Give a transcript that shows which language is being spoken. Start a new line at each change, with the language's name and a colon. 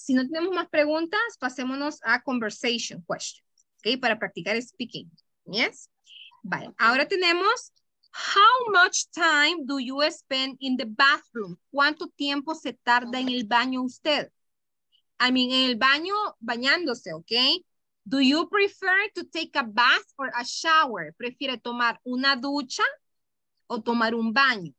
Spanish: Si no tenemos más preguntas, pasémonos a
English: conversation questions. Ok,
Spanish: para practicar
English: speaking. Yes.
Spanish: Vaya, ahora tenemos,
English: how much time do you spend in the bathroom?
Spanish: ¿Cuánto tiempo se tarda en el baño usted?
English: I mean,
Spanish: en el baño, bañándose, ok.
English: Do you prefer to take a bath or a shower?
Spanish: ¿Prefiere tomar una ducha o tomar un baño?